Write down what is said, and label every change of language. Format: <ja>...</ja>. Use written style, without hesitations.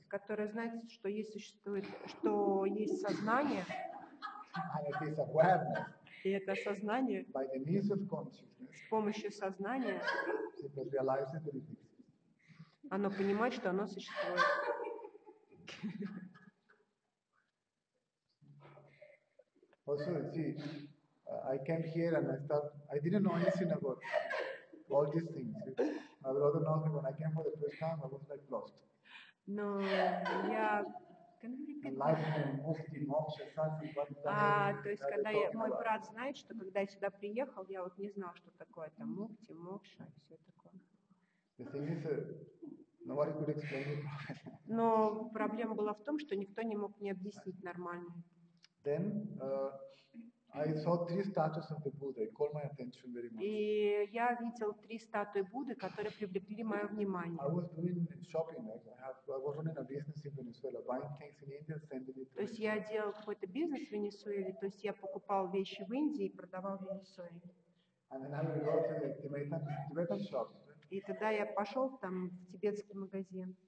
<ru>Которое знает, что есть существует, что есть сознание.</ru> <en>And it is awareness.</en> <ru>И это сознание.</ru> <en>By the means of consciousness.</en> <ru>С помощью сознания.</ru> <en>It has realized that it exists.</en> <ru>Оно понимает, что оно существует.</ru> <en>Also, see, I came here and I thought I didn't know anything about all these things. My brother knows me. When I came for the first time, I was like lost. No, yeah. Can I repeat? Enlightenment, mukti, moksha, something.</en> <ru>То есть когда мой брат знает, что когда я сюда приехал, я вот не знал, что такое там мукти, мокша и все такое.</ru> <en>The thing is, nobody could explain it.</en> <ru>Но проблема была в том, что никто не мог мне объяснить нормально.</ru> <en>Then I saw three statues of the Buddha. It caught my attention very much.</en> <ru>И я видел три статуи Будды, которые привлекли мое внимание.</ru> <en>I was doing shopping. I was running a business in Venezuela, buying things in India, sending it.</en> <ru>То есть я делал какой-то бизнес в Венесуэле. То есть я покупал вещи в Индии и продавал в Венесуэле.</ru> <en>And then I would go to the Tibetan shop.</en> <ru>И тогда я пошел там в тибетский магазин.</ru>